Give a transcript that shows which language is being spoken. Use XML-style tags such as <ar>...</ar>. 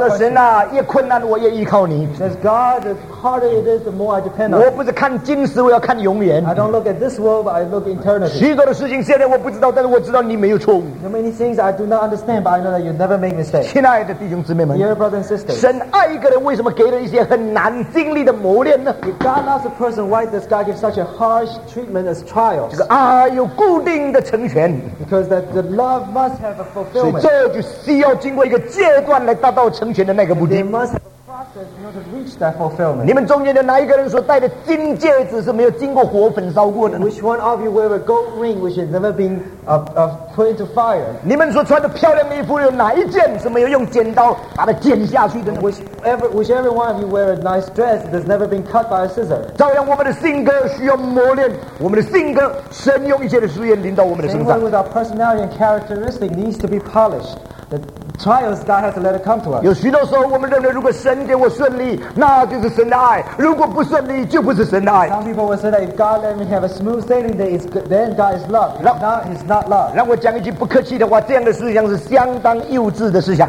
<zh>她说神啊越困难我越依靠你</zh> <en>She says God the harder it is the more I depend on</en> <zh>我不是看今时我要看永远</zh> <en>I don't look at this world but I look eternity</en> <zh>许多的事情现在我不知道但是我知道你没有错误</zh> <en>There are many things I do not understand but I know that you never make mistakes</en> <zh>亲爱的弟兄姊妹们</zh> <en>Dear brothers and sisters</en> <zh>神爱一个人为什么给了一些很难经历的磨练呢</zh> <en>If God loves a person, why does God give such a harsh treatment as trials?</en> <zh>这个爱有固定的成全</zh> <en>Because that the love must have a fulfillment</en> <zh>所以这就需要经过一个阶段来达到成全的那个目的</zh> <en>They must have a process in order to reach that fulfillment</en> <zh>你们中间的哪一个人所戴的金戒指是没有经过火焚烧过的</zh> <en>Which one of you wear a gold ring which has never been put into fire?</en> <zh>你们所穿的漂亮的衣服有哪一件是没有用剪刀把它剪下去的呢</zh> <en>Whichever one of you wear a nice dress that has never been cut by a scissor.</en> <zh>照样我们的性格需要磨练我们的性格神用一切的试验临到我们的身上</zh> <en>Same way with our personality and characteristic needs to be polished. Trials God has let it come to us.</en> <zh>有许多时候我们认为如果顺利，那就是神的爱；如果不顺利，就不是神的爱。</zh> <en>Some people will say that if God let me have a smooth sailing, then God is love. If not, He's not love.</en> <zh>让我讲一句不客气的话，这样的思想是相当幼稚的思想。</zh>